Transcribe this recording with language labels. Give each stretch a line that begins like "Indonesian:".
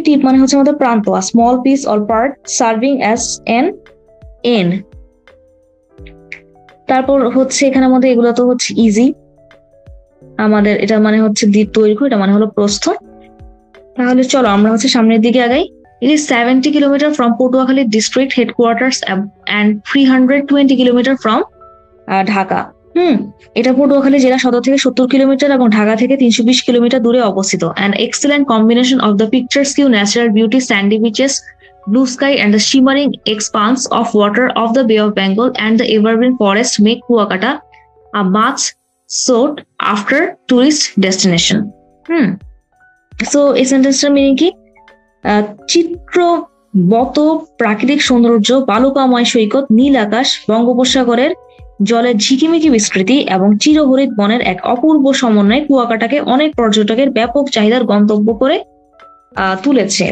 Bangla: টিপ মানে হচ্ছে আমাদের প্রান্ত,
English: A small piece or part serving as an end.
Bangla: তারপর হচ্ছে এখানে আমাদের এগুলো তো হচ্ছে ইজি আমাদের। এটা মানে হচ্ছে দ্বীপ দৈর্ঘ্য, এটা মানে হলো প্রস্থ। তাহলে চলো আমরা হচ্ছে সামনের দিকে আগাই।
English: It is 70 kilometers from Potuakhali district headquarters and 320 kilometers from Dhaka.
Bangla: এটা পটুয়াখালী জেলা সদর থেকে 70 কিলোমিটার এবং ঢাকা থেকে 320 কিলোমিটার দূরে অবস্থিত।
English: An excellent combination of the picturesque natural beauty, sandy beaches, blue sky and the shimmering expanse of water of the Bay of Bengal and the evergreen forest make Kuakata a much sought after tourist destination.
Bangla: So এই সেন্টেন্সটার meaning কি? চিত্রবত প্রাকৃতিক সৌন্দর্য, বালুকাময় সৈকত, নীল আকাশ, বঙ্গোপসাগরের জলের ঝিকিমিকি বিস্তৃতি এবং চিরহরিত বনের এক অপূর্ব সমন্বয় কুয়াকাটাকে অনেক পর্যটকের ব্যাপক চাহিদার গন্তব্য করে তুলেছে।